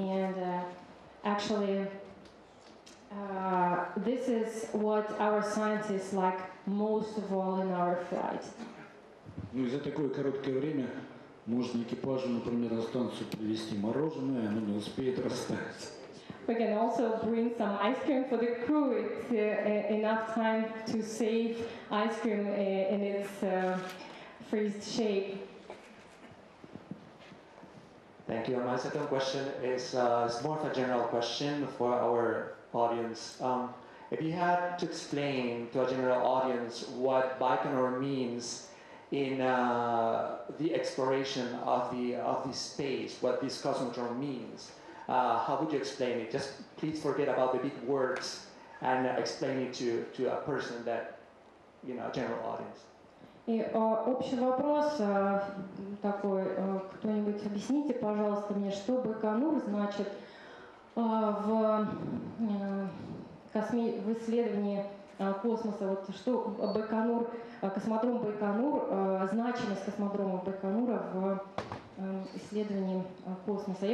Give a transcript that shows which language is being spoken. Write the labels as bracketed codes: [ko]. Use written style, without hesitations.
[en] And this is what our scientists like most of all in our flight. [ru] Ну, за такое короткое время можно экипажу, например, на станцию привезти мороженое, оно не успеет растаять. [en] We can also bring some ice cream for the crew. It's enough time to save ice cream in its freezed shape. Thank you. My second question is more of a general question for our audience. If you had to explain to a general audience what Baikonur means in the exploration of the space, what this cosmodrome means, how would you explain it? Just please forget about the big words and explain it to a person that, you know, a general audience. [ru] И общий вопрос такой, кто-нибудь объясните, пожалуйста, мне, что Байконур значит в исследовании космоса, вот что Байконур, космодром Байконур, значимость космодрома Байконура в исследований космоса.